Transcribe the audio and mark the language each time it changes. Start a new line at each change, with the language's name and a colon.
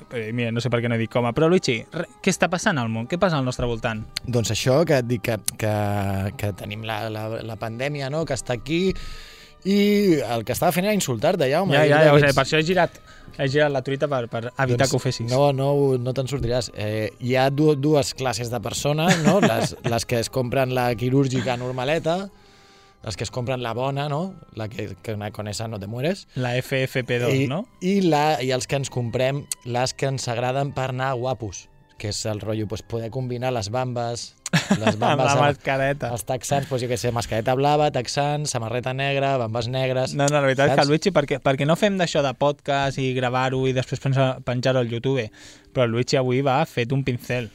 Catalan: Mira, no sé per què no he dit coma. Però Luigi, què està passant al món? Què passa al nostre voltant? Doncs això que et dic que tenim la pandèmia, no? Que està aquí i el que estava fent era insultar-te, Jaume. Ja, per això he girat la truita per evitar doncs, que ho fessis. No te'n sortiràs. Hi ha dues classes de persones, no? les que es compren la quirúrgica normaleta, les que es compren la bona, no?
Spanish: La que con esa no te mueres.
Catalan: La FFP2, no? I els que ens comprem, les que ens agraden per anar guapos, que és el rotllo pues, poder combinar les bambes... La mascareta. Els texans, pues, jo què sé, mascareta blava, texans, samarreta negra, bambes negres... No, la veritat saps? És que el Luigi, perquè no fem d'això de podcast i gravar-ho i després penjar-ho al YouTube, però el Luigi avui va fet un pincel.